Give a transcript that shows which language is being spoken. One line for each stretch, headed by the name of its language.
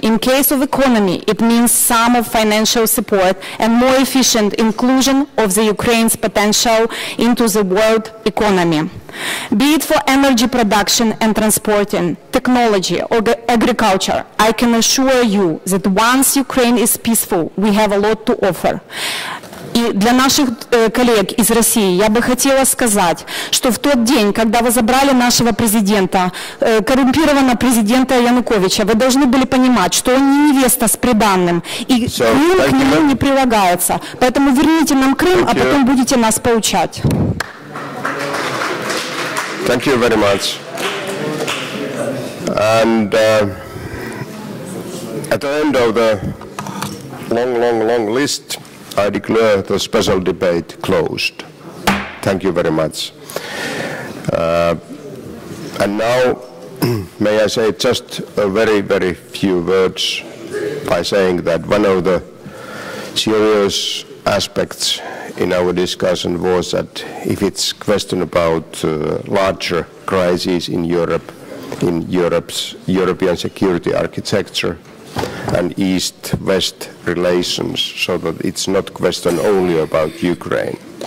English: In case of economy, it means some of financial support and more efficient inclusion of the Ukraine's potential into the world economy. Be it for energy production and transporting, technology, or agriculture, I can assure you that once Ukraine is peaceful, we have a lot to offer.
Russian: И для наших коллег из России я бы хотела сказать, что в тот день, когда вы забрали нашего президента, коррумпированного президента Януковича, вы должны были понимать, что он не невеста с приданным, и Крым к нему не прилагается. Поэтому верните нам Крым, а потом будете нас поучать.
English: Thank you very much. And at the end of the long list, I declare the special debate closed. Thank you very much. And now, may I say just a very, very few words by saying that one of the serious aspects in our discussion was that if it's a question about larger crises in Europe, in Europe's European security architecture, and East-West relations, so that it's not a question only about Ukraine.